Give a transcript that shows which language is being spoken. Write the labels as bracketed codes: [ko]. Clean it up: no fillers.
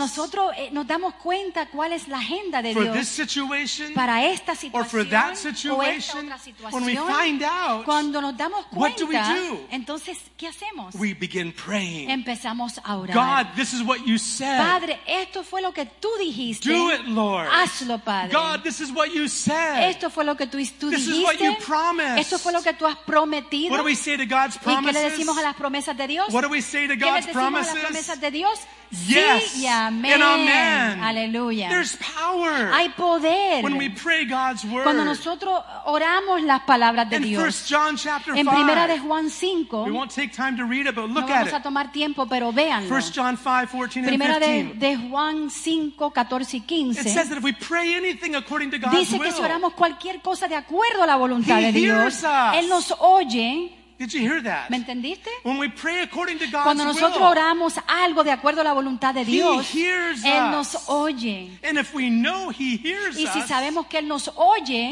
[es] nosotros nos damos cuenta cuál es la agenda de [en] for [es] Dios [en] this situation, [es] para esta situación, [en] or for that situation, when we find out, [es] cuando nos damos cuenta, [en] what do we do? [es] Entonces, ¿qué hacemos? [en] We begin praying. [es] Empezamos a orar. [en] God, this is what you said. [es] Padre, esto fue lo que tú dijiste. [en] Do it, Lord. [es] Hazlo, Padre. [en] God, this is what you said. [es] Esto fue lo que tú [en] this [es] dijiste. [en] Is what you promised. [es] Esto fue lo que tú has has prometido. [en] What do we say to God's promises? [es] ¿Y qué le decimos a las promesas de Dios? [en] What do we say to God's promises? [es] ¿Qué le decimos a las promesas de Dios? [en] Yes. [es] Sí, y amén. [en] And amen. [es] Aleluya. [en] There's power. [es] Hay poder. [en] When we pray God's word. [es] Cuando nosotros oramos las palabras de Dios. [en] In 1 John chapter 5. [es] En primera de Juan 5. [en] We won't take time to read it, but look [es] no [en] at it. [es] No vamos a tomar tiempo, pero véanlo. [en] 1 John 5, 14 and [es] 15. Primera de Juan 5, 14 y 15. [en] It says that if we pray anything according to God's will. [es] Dice que si oramos cualquier cosa de acuerdo a la voluntad de Dios. Él nos oye. [en] Did you hear that? [es] ¿Me entendiste? [en] When we pray according to God's [es] cuando nosotros [en] will, [es] oramos algo de acuerdo a la voluntad de Dios, [en] he hears [es] Él [en] us. [es] Nos oye. [en] And if we know he hears [es] y si [en] us, [es] sabemos que Él nos oye,